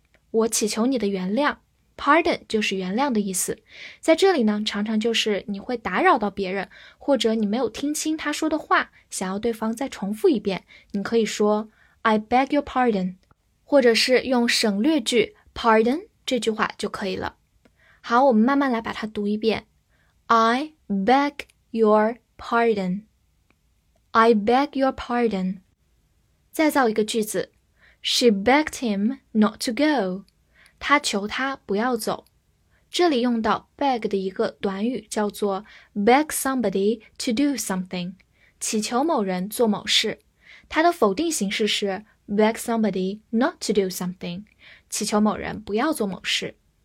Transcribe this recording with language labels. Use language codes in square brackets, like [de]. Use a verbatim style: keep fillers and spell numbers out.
[zh] 我祈求你的原谅 ，pardon 就是原谅的意思，在这里呢，常常就是你会打扰到别人，或者你没有听清他说的话，想要对方再重复一遍，你可以说 [en] I beg your pardon， [zh] 或者是用省略句 pardon 这句话就可以了。好，我们慢慢来把它读一遍 [en] I beg your pardon， [zh] I beg your pardon。再造一个句子 [en] She begged him not to go. [zh] 她求他不要走。这里用到 beg 的一个短语叫做 [en] beg somebody to do something， [zh] 祈求某人做某事。它的否定形式是 [en] beg somebody not to do something， [zh] 祈求某人不要做某事。